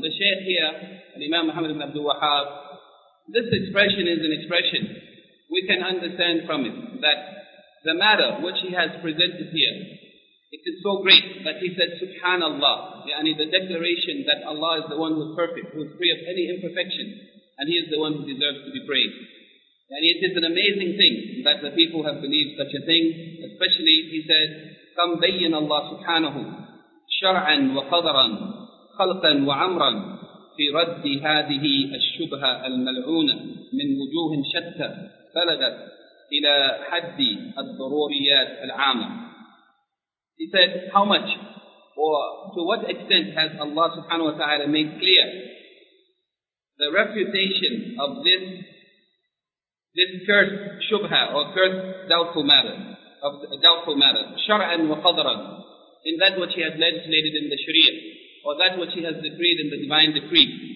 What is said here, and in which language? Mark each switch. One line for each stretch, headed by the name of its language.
English: The Shaykh here, Imam Muhammad ibn Abdul Wahhab, this expression is an expression we can understand from it that the matter which he has presented here, it is so great that he said Subhanallah, yani the declaration that Allah is the one who is perfect, who is free of any imperfection, and he is the one who deserves to be praised. And it is an amazing thing that the people have believed such a thing, especially he said
Arabic: كَمْ بَيِّنَ اللَّهُ سُبْحَانَهُ شَرْعًا وَقَدَرًا خَلْقًا وَعَمْرًا فِي رَدِّ هَذِهِ الشُّبْهَةِ الْمَلْعُونَةِ مِنْ وُجُوهٍ شَتَّى بَلَغَتْ إِلَى حَدِّ الضَّرُورِيَاتِ الْعَامَةِ.
English: He said, how much or to what extent has Allah subhanahu wa ta'ala made clear the refutation of this cursed shubha or cursed doubtful matter? of a doubtful matter,
Arabic: shar'an wa qadran,
English: in that which he has legislated in the sharia, or that which he has decreed in the divine decree.